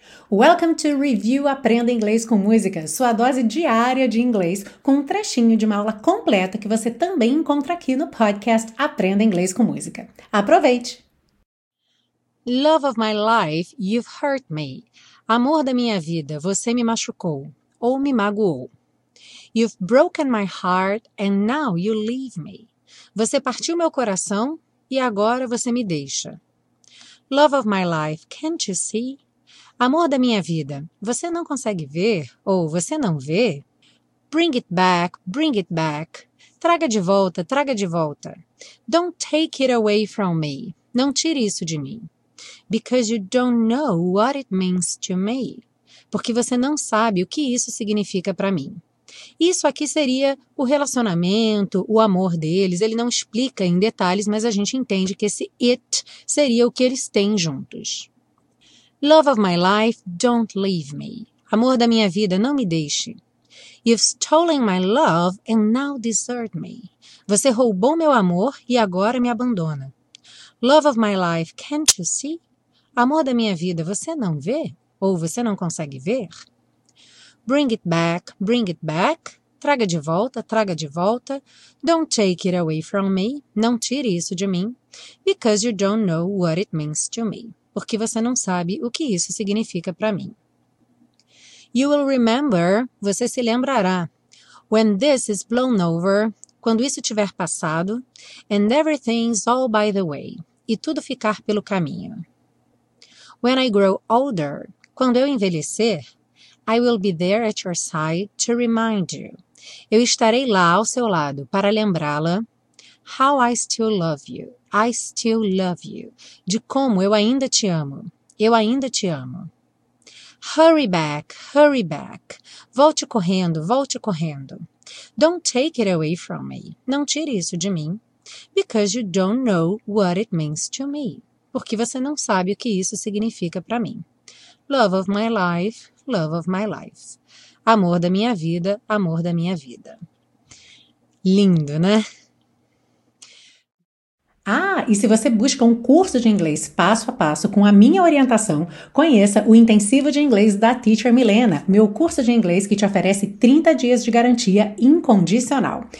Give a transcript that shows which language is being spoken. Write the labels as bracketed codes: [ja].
[en] Welcome to Review [pt] Aprenda Inglês com Música, sua dose diária de inglês, com um trechinho de uma aula completa que você também encontra aqui no podcast Aprenda Inglês com Música. Aproveite! [en] Love of my life, you've hurt me. [pt] Amor da minha vida, você me machucou ou me magoou. [en] You've broken my heart and now you leave me. [pt] Você partiu meu coração e agora você me deixa. [en] Love of my life, can't you see? [pt] Amor da minha vida, você não consegue ver ou você não vê? [en] Bring it back, bring it back. [pt] Traga de volta, traga de volta. [en] Don't take it away from me. [pt] Não tire isso de mim. [en] Because you don't know what it means to me. [pt] Porque você não sabe o que isso significa para mim. Isso aqui seria o relacionamento, o amor deles. Ele não explica em detalhes, mas a gente entende que esse it seria o que eles têm juntos. [en] Love of my life, don't leave me. [pt] Amor da minha vida, não me deixe. [en] You've stolen my love and now desert me. [pt] Você roubou meu amor e agora me abandona. [en] Love of my life, can't you see? [pt] Amor da minha vida, você não vê? Ou você não consegue ver? [en] Bring it back, [pt] traga de volta, traga de volta. [en] Don't take it away from me, [pt] não tire isso de mim. [en] Because you don't know what it means to me, [pt] porque você não sabe o que isso significa para mim. [en] You will remember, [pt] você se lembrará, [en] when this is blown over, [pt] quando isso tiver passado, [en] and everything's all by the way, [pt] e tudo ficar pelo caminho. [en] When I grow older, [pt] quando eu envelhecer, [en] I will be there at your side to remind you. [pt] Eu estarei lá ao seu lado para lembrá-la. [en] How I still love you. I still love you. [pt] De como eu ainda te amo. Eu ainda te amo. [en] Hurry back, hurry back. [pt] Volte correndo, volte correndo. [en] Don't take it away from me. [pt] Não tire isso de mim. [en] Because you don't know what it means to me. [pt] Porque você não sabe o que isso significa para mim. [en] Love of my life, love of my life. [pt] Amor da minha vida, amor da minha vida. Lindo, né? Ah, e se você busca um curso de inglês passo a passo com a minha orientação, conheça o Intensivo de Inglês da Teacher Milena, meu curso de inglês que te oferece 30 dias de garantia incondicional.